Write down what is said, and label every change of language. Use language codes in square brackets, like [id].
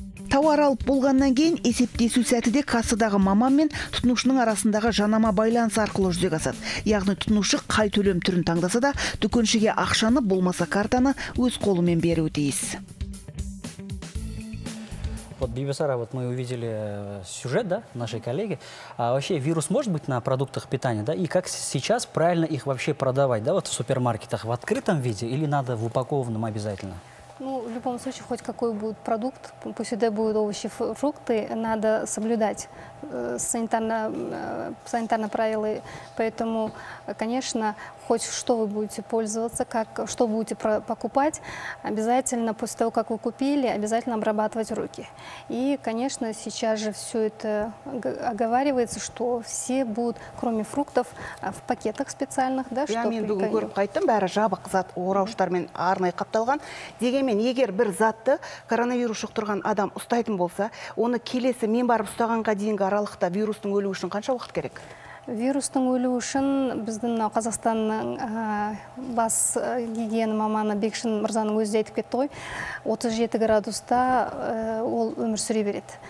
[kk] Тауар алып болғаннан кейін есептесу сәтіде қасыдағы маман мен тұтынушының арасындағы жанама байланыс арқылы жүзеге асады. Яғни тұтынушы қай төлем түрін таңдаса да дүкеншіге ақшаны болмаса картаны өз қолымен беруі тиіс. [ru] Вот, Бибисара, вот мы увидели сюжет, да, нашей коллеги. А вообще вирус может быть на продуктах питания, да? И как сейчас правильно их вообще продавать, да, вот в супермаркетах, в открытом виде или надо в упакованном обязательно? Ну, в любом случае, хоть какой будет продукт, пусть это будут овощи, фрукты, надо соблюдать санитарные правила. Поэтому, конечно, хоть что вы будете пользоваться, как, что будете покупать, обязательно после того, как вы купили, обязательно обрабатывать руки. И, конечно, сейчас же все это оговаривается, что все будут, кроме фруктов, в пакетах специальных, да, что приготовить. [kk] Егер бір затты коронавирус жұқтырған адам ұстайтын болса, оны келесі мен барып ұстағанға дейінгі аралықта вирустың өлуі үшін қанша уақыт керек? Вирустың өлуі үшін біздің Қазақстанның бас гигиена маманы Бекшин Мырзаның өзі айтып кетті ғой, 37 градуста ол өмір сүре береді.